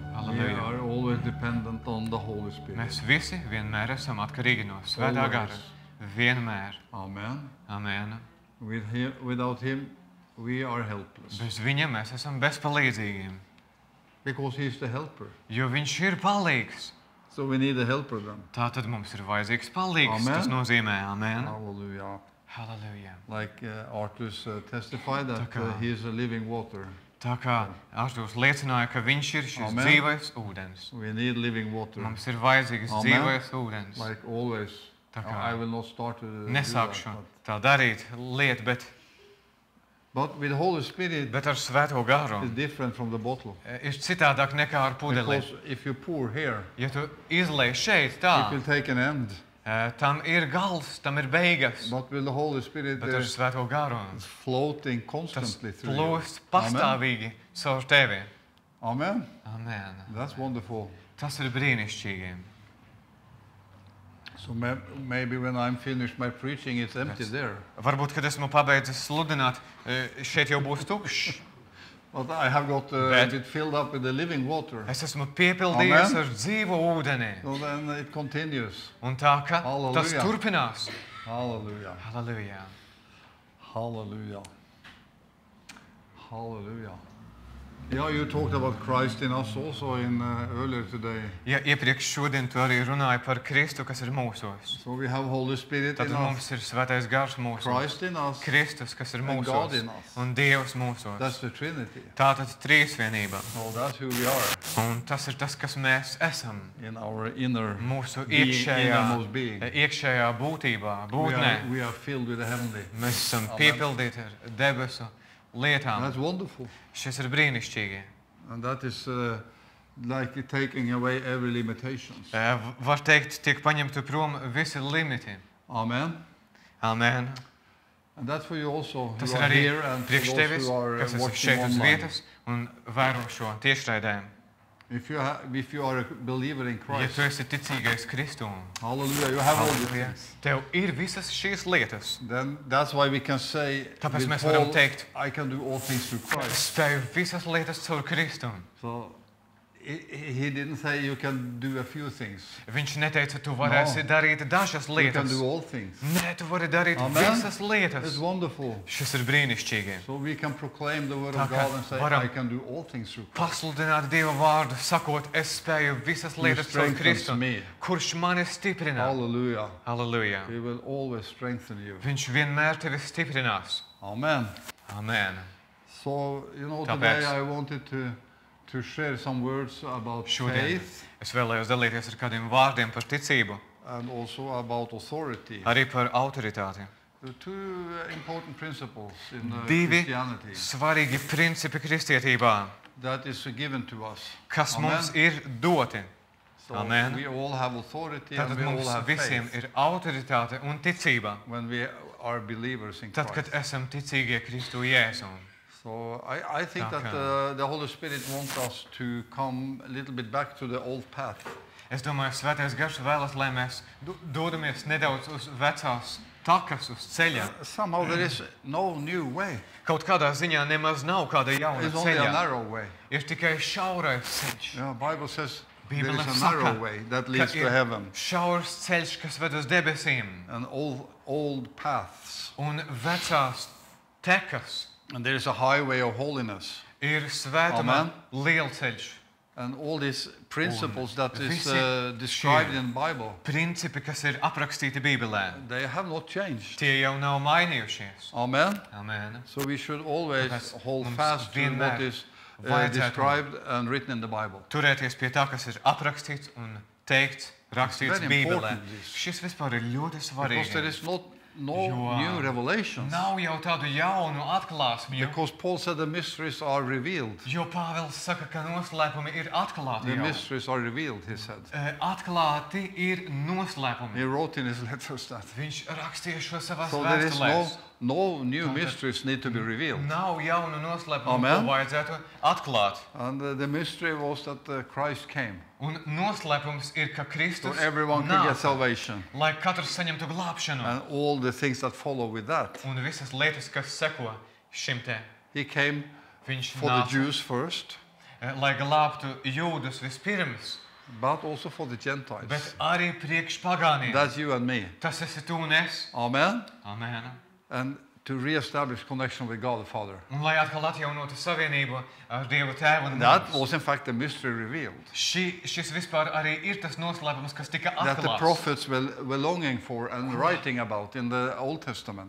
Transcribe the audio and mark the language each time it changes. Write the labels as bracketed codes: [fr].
[en] We are always dependent on the Holy Spirit. [lv] Mēs visi vienmēr esam atkarīgi no Svētā Gara. Vienmēr. Amen. Amen. [en] Without him we are helpless. [lv] Bez viņa mēs esam bezpalīdzīgi. [en] Because he is the helper. [lv] Jo viņš ir palīgs. [en] So we need a helper then. [lv] Tātad mums ir vajadzīgs palīgs. Amen. Tas nozīmē amen. Hallelujah. Hallelujah. [en] Like Artus testified that he is a living water. [lv] Tā kā Artūrs liecināja, ka viņš ir šis Amen. Dzīvais ūdens. [en] We need living water. [lv] Mums ir vajadzīgs Amen. Dzīvais ūdens. [en] Like always. [lv] Tā kā [en] I will not start [lv] nesākšu [en] that, [lv] tā darīt lietu, bet [en] But with the Holy Spirit [lv] bet ar Svēto Garu [en] is different from the bottle. [lv] Ir citādāk nekā ar pudeli. [en] Because if you pour here, [lv] ja tu izlej šeit, tā, [en] it will take an end. [lv] Tam ir gals, tam ir beigas. [en] But with the Holy Spirit, [lv] bet ar Svēto Garu [en] floating constantly [lv] tas plūst pastāvīgi caur tevi. Amen. Amen. [en] That's wonderful. [lv] Tas ir brīnišķīgi. [en] So maybe when I'm finished my preaching, it's empty [lv] bet, [en] there. [lv] Varbūt, kad esmu pabeidzis sludināt, šeit jau būs tukšs. [en] But I have got it filled up with the living water. [lv] Es esmu piepildījies ar dzīvo ūdeni. [en] So then it continues. [lv] Un tā, ka Hallelujah. Tas turpinās. Hallelujah. Hallelujah. Hallelujah. Hallelujah. [en] Yeah, you talked about Christ in us also in earlier today. [lv] Ja, iepriekš šodien tu arī runāji par Kristu, kas ir mūsos. [en] So we have Holy Spirit [lv] Tad [en] in us. [lv] Tad mums ir Svētais Gars mūsos. [en] Christ in us. [lv] Kristus, kas ir mūsos. [en] And God in us. [lv] Un Dievs mūsos. [en] That's the Trinity. [lv] Tātad trīsvienība. [en] Well, that's who we are. [lv] Un tas ir tas, kas mēs esam. [en] In our inner [lv] mūsu iekšējā, iekšējā būtībā, būtnē. [en] We are filled with the heavenly. [lv] Mēs esam piepildīti ar debesu. Lietām. [en] That's wonderful. [lv] Šis ir brīnišķīgi. [en] And that is like taking away every limitations. [lv] Var teikt, tiek paņemti prom visi limiti. Amen. Amen. [en] And that's for you also. [lv] Tas [en] you [lv] ir arī [en] here and [lv] priekš tevis, kas esi šeit [en] online. [lv] Uz vietas un vēro šo tiešraidē. [en] If you are a believer in Christ. [lv] Ja tu esi ticīgais Kristu. [en] Hallelujah. You have all these. [lv] Tev ir visas šīs lietas. [en] Then that's why we can say [lv] Tāpēc [en] with [lv] mēs varam teikt, [en] I can do all things through Christ. [lv] Spēj visas lietas caur Kristu. [en] So he didn't say you can do a few things. [lv] Viņš neteica tu varēsi no. darīt dažas lietas. [en] You can do all things. [lv] Nē, tu vari darīt Amen. Visas lietas. [en] It's wonderful. [lv] Šis ir brīnišķīgi. [en] So we can proclaim the word of God and say I can do all things through Christ. [lv] Pasludināt Dieva vārdu, sakot, es spēju visas lietas caur Kristu, [en] me. [lv] Kurš mani stiprina. Hallelujah. Hallelujah. [en] He will always strengthen you. [lv] Viņš vienmēr tevi stiprinās. Amen. Amen. [en] So, you know, today I wanted to share some words about [lv] Šodien. [en] Faith. [lv] Es vēlējos dalīties ar kādiem vārdiem par ticību. [en] And also about authority. [lv] Arī par autoritāti. [en] Two important principles in [lv] Divi [en] Christianity. [lv] Svarīgi principi kristietībā. [en] That is given to us. [lv] Kas Amen. Mums ir doti. [en] So Amen. We all have authority [lv] Tātad [en] and we all have faith. [lv] Visiem ir autoritāte un ticība. [en] When we are believers in Christ. [lv] Tad, kad esam ticīgie Kristu Jēzu. [en] So I think [lv] Tā, [en] that the Holy Spirit wants us to come a little bit back to the old path. [lv] Es domāju, Svētais Gars vēlas, lai mēs dodamies nedaudz uz vecās takas, uz ceļa. [en] Somehow there is no new way. [lv] Kaut kādā ziņā nemaz nav kāda jauna [en] It's It's only a narrow way. [lv] Ir tikai šaurais ceļš. [en] Yeah, Bible says there is a narrow way that leads to heaven. [lv] Šaurs ceļš, kas ved uz debesīm. [en] And old paths. [lv] Un vecās tekas. [en] And there is a highway of holiness. [lv] Ir svētuma lielceļš. [en] And all these principles that is described in the Bible. [lv] Principi, kas ir aprakstīti Bībelē. [en] They have not changed. [lv] Tie jau nav mainījušies. Amen. Amen. [en] So we should always hold fast to what is described and written in the Bible. [lv] Turēties pie tā, kas ir aprakstīts un teikts, rakstīts Bībelē. Šis vispār ir ļoti svarīgi. [en] No new revelations. [lv] Nav jau tādu jaunu atklāsmi. [en] Because Paul said the mysteries are revealed. [lv] Jo Pāvils saka, ka noslēpumi ir atklāti. [en] The mysteries are revealed, he said. [lv] Atklāti ir noslēpumi. [en] He wrote in his letters that. [lv] Viņš rakstīja šo savās vēstulēs. [en] So there is no new mysteries need to be revealed. [lv] Nav jaunu noslēpumu, ko vajadzētu atklāt. [en] And the mystery was that Christ came. [lv] Un noslēpums ir, ka Kristus [en] so everyone [lv] nāk, [en] can get salvation. [lv] Lai katrs saņemtu glābšanu. [en] And all the things that follow with that. [lv] Un visas lietas, kas seko šim te. [en] He came [lv] Viņš [en] for [lv] nāk, [en] the Jews first. [lv] Lai glābtu jūdus vispirms. [en] But also for the Gentiles. [lv] Bet arī priekš pagāniem. [en] That's you and me. [lv] Tas esi tu un es. Amen. Amen. [en] And to re-establish connection with God the Father. [lv] Un lai atkal atjaunotu savienību ar Dievu Tēvu un [en] That was in fact the mystery revealed. [lv] Šis vispār arī ir tas noslēpums, kas tika atklāts. [en] That the prophets were longing for and writing about in the Old Testament.